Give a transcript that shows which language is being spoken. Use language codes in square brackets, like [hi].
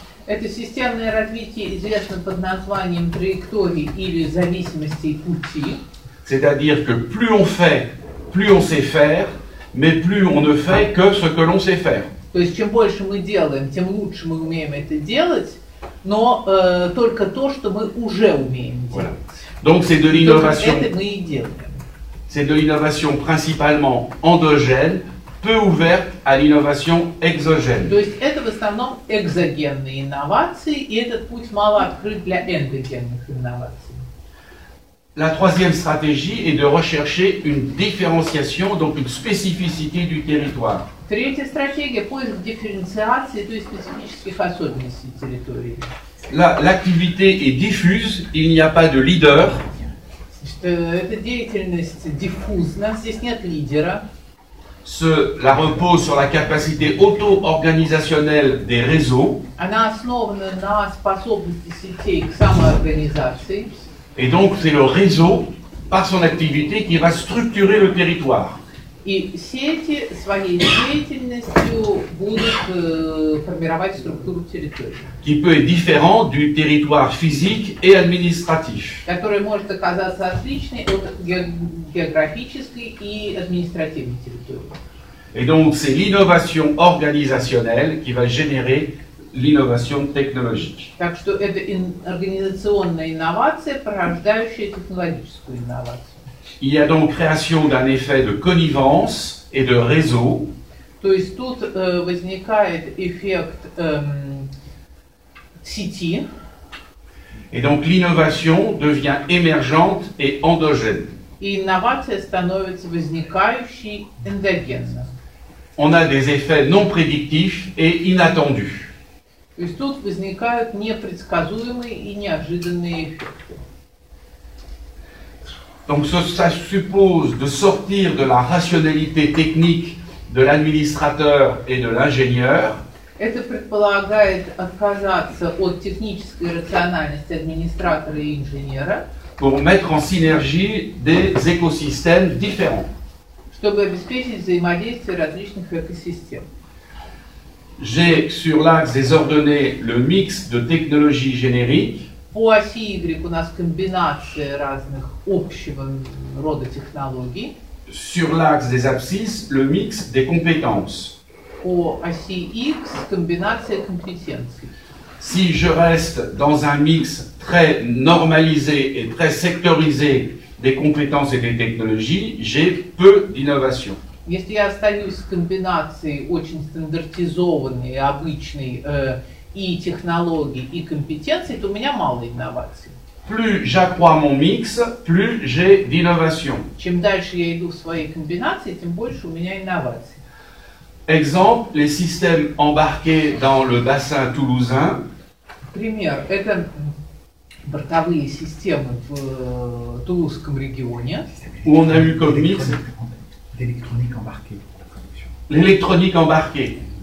[ru] Это системное развитие известно под названием траектории или зависимости пути. [fr] C'est-à-dire que plus on fait, plus on sait faire. Mais plus on ne fait que ce que l'on sait faire. [ru] То есть чем больше мы делаем, тем лучше мы умеем это делать, но только то, что мы уже умеем делать. [fr] Voilà. Donc c'est de l'innovation. [ru] Это мы и делаем. [fr] C'est de l'innovation principalement endogène, peu ouverte à l'innovation exogène. [ru] То есть это в основном экзогенные инновации, и этот путь мало открыт для эндогенных инноваций. [fr] La troisième stratégie est de rechercher une différenciation, donc une spécificité du territoire. [ru] Третья стратегия – поиск дифференциации, то есть специфических особенностей территории. [fr] L'activité est diffuse, il n'y a pas de leader. [ru] Эта деятельность диффузна, здесь нет лидера. [fr] Cela repose sur la capacité auto-organisationnelle des réseaux. [ru] Она основана на способности сетей к самоорганизации. [fr] Et donc c'est le réseau, par son activité, qui va structurer le territoire. Et [ru] сети своей деятельностью будут формировать структуру территории. [fr] Qui peut être différent du territoire physique et administratif. [ru] Который может оказаться отличный от географической и административной территории. [fr] Et donc c'est l'innovation organisationnelle qui va générer l'innovation technologique. [ru] Так что это организационная инновация, порождающая технологическую инновацию. [fr] Il y a donc création d'un effet de connivence et de réseau. [ru] То есть тут возникает эффект сети. [fr] Et donc l'innovation devient émergente et endogène. [ru] И инновация становится возникающей эндогенно. [fr] On a des effets non prédictifs et inattendus. [ru] То есть тут возникают непредсказуемые и неожиданные эффекты. [fr] Donc ça suppose de sortir de la rationalité technique de l'administrateur et de l'ingénieur. [ru] Это предполагает отказаться от технической рациональности администратора и инженера. [fr] Pour mettre en synergie des écosystèmes différents. [ru] Чтобы обеспечить взаимодействие различных экосистем. [fr] J'ai sur l'axe des ordonnées le mix de technologies génériques. [ru] По оси Y у нас комбинация разных общего рода технологий. [fr] Sur l'axe des abscisses, le mix des compétences. [ru] По оси X, комбинация компетенций. [fr] Si je reste dans un mix très normalisé et très sectorisé des compétences et des technologies, j'ai peu d'innovation. [ru] Если я остаюсь в комбинации очень стандартизованной, обычной, и технологий, и компетенций, то у меня мало инноваций. [fr] Plus j'accrois mon mix, plus j'ai d'innovation. [ru] Чем дальше я иду в своей комбинации, тем больше у меня инноваций. [fr] Exemple, les systèmes embarqués dans le bassin toulousain. [ru] Пример. Это бортовые системы в Тулузском регионе. [fr] Où on a eu comme mix... L'électronique embarquée. L'électronique embarquée.